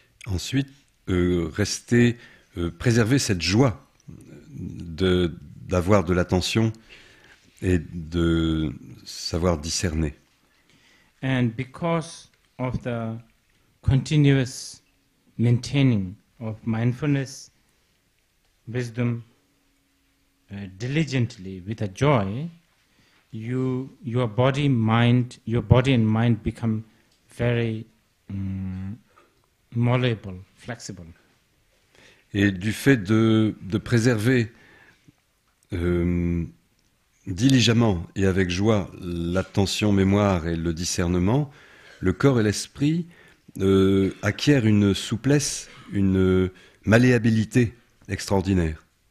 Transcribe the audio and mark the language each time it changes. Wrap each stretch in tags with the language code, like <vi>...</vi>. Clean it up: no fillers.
<fr>Ensuite, rester, préserver cette joie d'avoir de l'attention et de savoir discerner.</fr> <en>And because of the continuous maintaining of mindfulness, wisdom, diligently with a joy, your body and mind become very malleable, flexible.</en> <fr>Et du fait de préserver diligemment et avec joie l'attention, mémoire et le discernement, le corps et l'esprit acquièrent une souplesse, une malléabilité extraordinaire.</fr>